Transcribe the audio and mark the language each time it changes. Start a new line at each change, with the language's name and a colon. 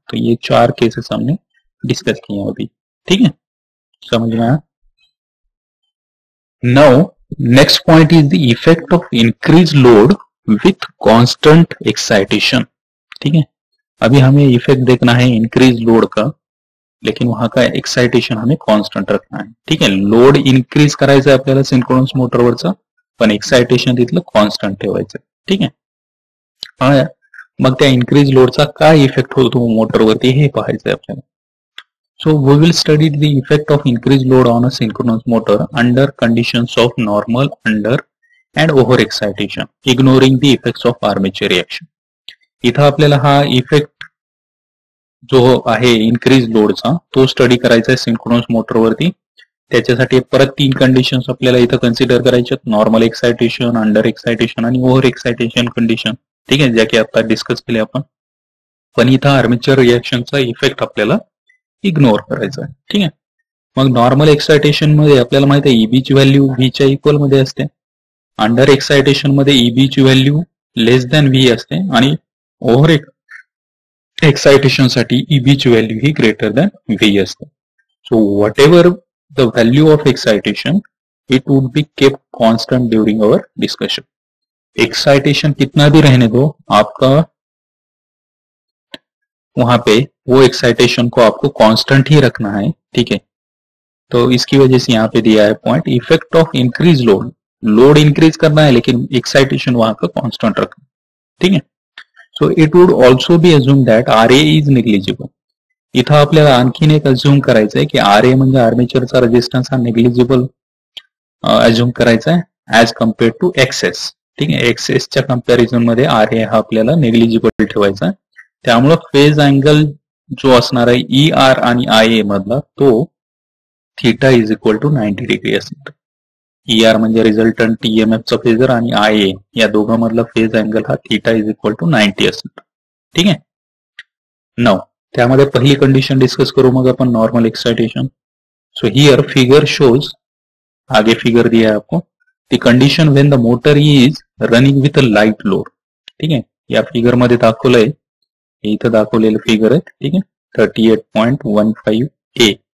Hindi: तो ये चार केसेस हमने डिस्कस किए हैं अभी. ठीक है, समझ में आया.
English: Now next point is the effect of increase load with constant excitation.
Hindi: ठीक है, अभी हमें इफेक्ट देखना है इंक्रीज लोड का, लेकिन वहां का एक्साइटेशन हमें कॉन्स्टंट रखना है. ठीक है,
Marathi: लोड इंक्रीज करायचा आपल्याला सिंक्रोनस मोटर वरचा, पण एक्साइटेशन तिथलं कॉन्स्टंट ठेवायचं. ठीक आहे, मग त्या इन्क्रीज लोडचा काय इफेक्ट होतो मोटरवरती हे पाहायचंय आपल्याला.
English: So we will study the effect of increase load on a synchronous motor under condition of normal under and over excitation ignoring the effect of armature reaction.
Marathi: इथं आपल्याला हा इफेक्ट जो आहे इन्क्रीज लोडचा तो स्टडी करायचा आहे सिंक्रोनस मोटरवरती. त्याच्यासाठी परत तीन कंडिशन्स आपल्याला इथं consider करायच्यात, normal excitation, under excitation आणि ओव्हर एक्साइटेशन कंडिशन. ठीक आहे, ज्या की आता डिस्कस केले आपण, पण इथं आर्मेचर रिएक्शनचा इफेक्ट आपल्याला इग्नोर करायचा आहे. ठीक आहे, मग नॉर्मल एक्साइटेशन मध्ये आपल्याला माहित आहे ईबीची व्हॅल्यू व्हीच्या इक्वल मध्ये असते, अंडर एक्साइटेशन मध्ये ईबीची व्हॅल्यू लेस दॅन व्ही असते आणि ओव्हर एक्साइटेशन साठी ईबीची व्हॅल्यू ही ग्रेटर दॅन व्ही असते.
English: So whatever the value of excitation, it would be kept constant during our discussion. Excitation
Hindi: कितना भी रहने दो आपका वहां पे वो एक्साइटेशन को आपको कांस्टेंट ही रखना है, ठीक है। तो इसकी वजह से यहाँ पे दिया है point, effect of increase load, load increase करना है लेकिन एक्साइटेशन वहां का कांस्टेंट रखना, ठीक है।
English: So it would also be assume that R a is negligible.
Marathi: इथं आपल्याला आणखीन एक अज्यूम करायचं आहे की आर ए म्हणजे आर्मेचरचा रेजिस्टन्स हा निग्लिजिबल अज्यूम करायचा आहे
English: as compare to excess,
Marathi: ठीक आहे। एक्सेसच्या कम्पॅरिझन मध्ये आर ए हा आपल्याला निग्लिजिबल ठेवायचा, त्यामुळे फेज अँगल जो असणार आहे ई आर आणि आय ए मधला तो
English: theta is equal to 90 degree
Marathi: असणार। ई आर म्हणजे रिझल्टंट टी एम एफ चा फेजर आणि आय ए या दोघांमधला फेज अँगल हा
English: theta is equal to 90
Marathi: असणार, ठीक आहे। नाउ त्यामध्ये पहिली कंडिशन डिस्कस करू मग आपण normal excitation.
English: so here figure shows,
Hindi: आगे फिगर दिया आपको,
English: the condition when the motor is running with a light load,
Marathi: ठीक आहे। या फिगर मध्ये दाखवलंय, इथं दाखवलेलं फिगर आहे, ठीक आहे, 38.15A।